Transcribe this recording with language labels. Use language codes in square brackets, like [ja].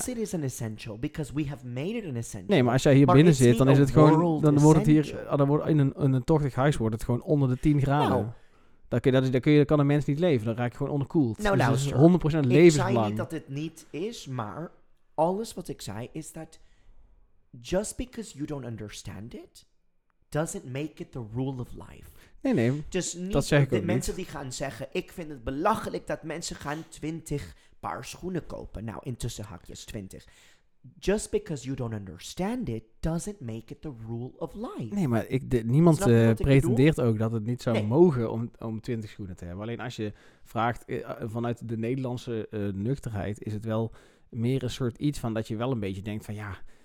[en] For us it is an essential, because we have made it an essential. [nl] Nee, maar als jij hier binnen zit, dan is het gewoon... Dan wordt het hier... In een tochtig huis wordt het gewoon onder de 10 graden. No. Dan kan een mens niet leven. Dan raak je gewoon onderkoeld. Nou, dus dat is 100% levensbelang. Ik zei niet dat het niet is, maar alles wat ik zei is dat... [en] Just because you don't understand it, doesn't make it the rule of life. [nl] Nee. Dus niet dat zeg ik de ook mensen niet. Die gaan zeggen, ik vind het belachelijk dat mensen gaan 20 paar schoenen kopen. Nou, intussen haakjes 20. [en] Just because you don't understand it, doesn't make it the rule of life. [nl] Nee, maar niemand pretendeert ook dat het niet zou mogen om 20 schoenen te hebben. Alleen als je vraagt, vanuit de Nederlandse nuchterheid, is het wel meer een soort iets van dat je wel een beetje denkt van ja...